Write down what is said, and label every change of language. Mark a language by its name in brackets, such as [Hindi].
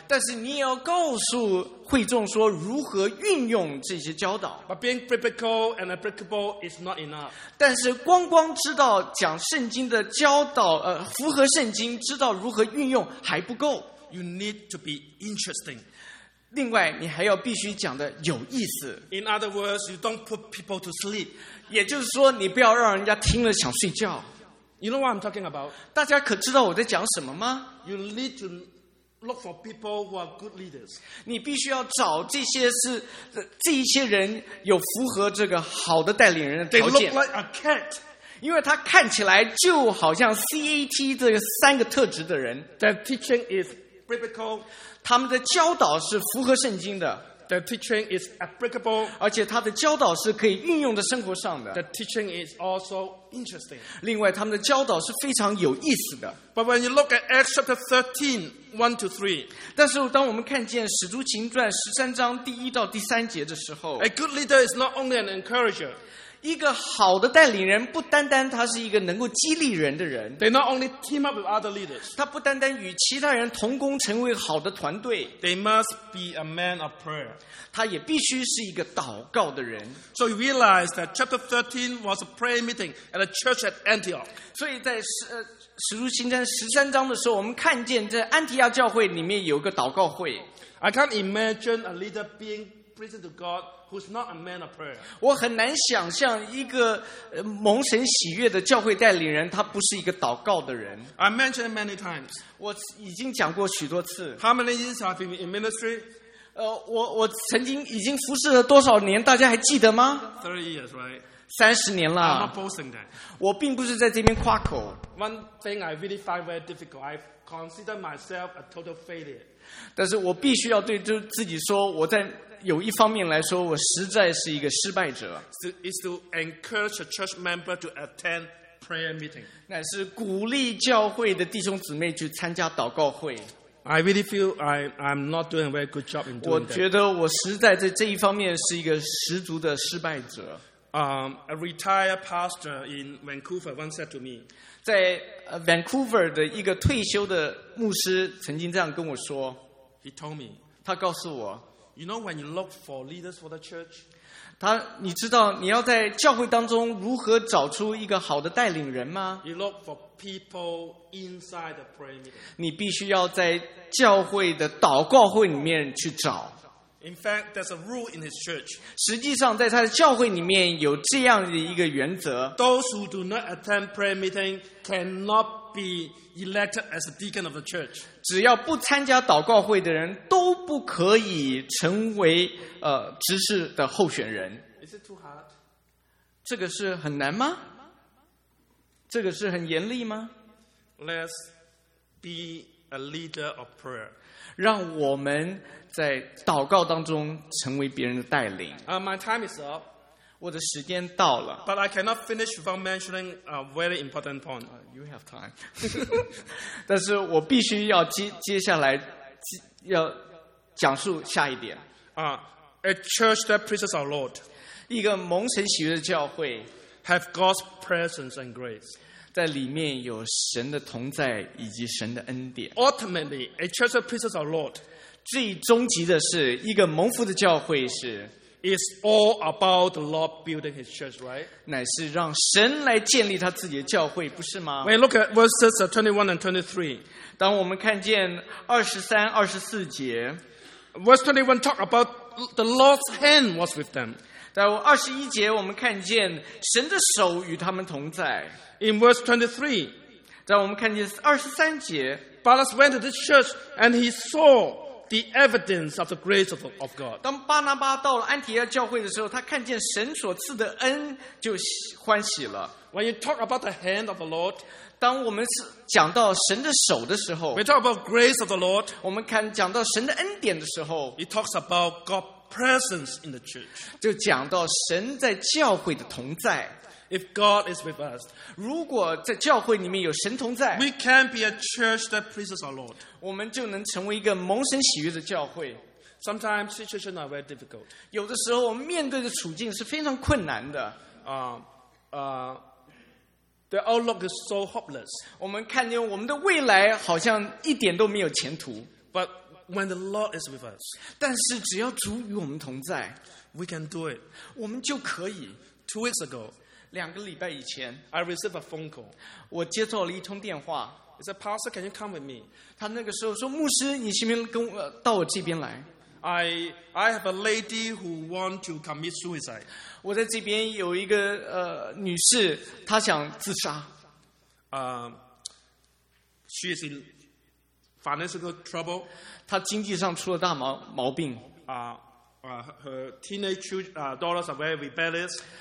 [Chinese] 但是你也要告诉会众说如何运用这些教导。 [English] But being biblical and applicable is not enough. [Chinese] 但是光知道讲圣经的教导，符合圣经，知道如何运用还不够。 [English] You need to be interesting. [Chinese] 另外，你还要必须讲的有意思。 [English] In other words, you don't put people to sleep. [Chinese] 也就是说，你不要让人家听了想睡觉。 [English] You know what I'm talking about? [Chinese] 大家可知道我在讲什么吗？ [English] You need to look for people who are good leaders. [Chinese] 你必须要找这些人有符合这个好的带领人的条件。 [English] They look like a cat. [Chinese] 因为他看起来就好像 CAT 这三个特质的人。 [English] Their teaching is biblical. [Chinese] 他们的教导是符合圣经的。 [English] The teaching is applicable. [Chinese] 而且他的教导是可以运用在生活上的。 [English] The teaching is also interesting. [Chinese] 另外，他们的教导是非常有意思的。 [English] But when you look at Acts chapter 13, 1 to 3, [Chinese] 但是当我们看见《使徒行传》十三章第一到第三节的时候， [English] A good leader is not only an encourager. [Chinese] 一个好的带领人不单单他是一个能够激励人的人。 [English] They not only team up with other leaders. [Chinese] 他不单单与其他人同工成为好的团队。 [English] They must be a man of prayer. [Chinese] 他也必须是一个祷告的人。 [English] So you realize that chapter 13 was a prayer meeting at a church at Antioch. [Chinese] 所以在使徒行传十三章的时候，我们看见在安提亚教会里面有一个祷告会。 [English] I can't imagine a leader being present to God. Who's not a man of prayer? [Chinese] 我很难想象一个蒙神喜悦的教会带领人，他不是一个祷告的人。 [English] I mentioned many times. [Chinese] 我已经讲过许多次。 [English] How many years have you been in ministry? [Chinese] 我曾经已经服侍了多少年？大家还记得吗 [English] ？30 years, right? [Chinese] 三十年了。 [English] I'm not boasting that. [Chinese] 我并不是在这边夸口。 [English] One thing I really find very difficult, I consider myself a total failure. [Chinese] 但是我必须要对自己说，我在有一方面来说，我实在是一个失败者。 [English] Is to encourage a church member to attend prayer meeting. [Chinese] 乃是鼓励教会的弟兄姊妹去参加祷告会。 [English] I really feel I'm not doing a very good job in doing that. [Chinese] 我觉得我实在在这一方面是一个十足的失败者。 [English] A retired pastor in Vancouver once said to me, [Chinese] 在 Vancouver 的一个退休的牧师曾经这样跟我说。 [English] He told me, [Chinese] 他告诉我。 [English] You know when you look for leaders for the church? [Chinese] 他你知道你要在教会当中如何找出一个好的带领人吗？ [English] You look for people inside the prayer meeting. [Chinese] 你必须要在教会的祷告会里面去找。 [English] In fact, there's a rule in his church. [Chinese] 实际上在他的教会里面有这样的一个原则。 [English] Those who do not attend prayer meeting cannot be elected as a deacon of the church. [Chinese] 只要不参加祷告会的人都不可以成为执事的候选人。 [English] Is it too hard? [Chinese] 这个是很难吗？这个是很严厉吗？ [English] Let's be a leader of prayer. [Chinese] 让我们在祷告当中成为别人的带领。 [English] My time is up. [Chinese] 我的时间到了。 [English] But I cannot finish without mentioning a very important point. You have time. [Chinese] 但是我必须要 接下来要讲述下一点。 [English] A church that praises our Lord. [Chinese] 一个蒙神喜悦的教会。 [English] Have God's presence and grace. [Chinese] 在里面有神的同在以及神的恩典。 [English] Ultimately, a church that praises our Lord. [Chinese] 最终极的是一个蒙福的教会是 [English] It's all about the Lord building his church, right? [Chinese] 乃是让神来建立他自己的教会，不是吗？ [English] We look at verses 21 and 23. [Chinese] 当我们看见23、24节 [English] Verse 21 talk about the Lord's hand was with them. [Chinese] 在21节我们看见神的手与他们同在 [English] In verse 23, [Chinese] 在我们看见23节 [English] Barnabas went to this church and he saw the evidence of the grace of God. [Chinese] 当巴拿巴到了安提阿教会的时候，他看见神所赐的恩，就欢喜了。 [English] When you talk about the hand of the Lord, [Chinese] 当我们讲到神的手的时候 [English] ，we talk about grace of the Lord. [Chinese] 我们看讲到神的恩典的时候 [English] ，it talks about God's presence in the church. [Chinese] 就讲到神在教会的同在。 [English] If God is with us, [Chinese] 如果在教会里面有神同在 [English] we can be a church that pleases our Lord. [Chinese] 我们就能成为一个蒙神喜悦的教会。 [English] Sometimes situations are very difficult. [Chinese] 有的时候我们面对的处境是非常困难的。 [English] The outlook is so hopeless. [Chinese] 我们看见我们的未来好像一点都没有前途。 [English] But when the Lord is with us, [Chinese] 但是只要主与我们同在 [English] we can do it. [Chinese] 我们就可以。 [English] Two weeks ago, [Chinese] 两个礼拜以前 [English] I received a phone call. [Chinese] 我接到了一通电话 [English] He said, Pastor, can you come with me? [Chinese] 他那个时候说牧师你行不行跟我到我这边来 [English] I have a lady who wants to commit suicide. [Chinese] 我在这边有一个女士她想自杀 [English] She is in financial trouble. [Chinese] 她经济上出了大毛病 [English] Her teenage daughters are very rebellious.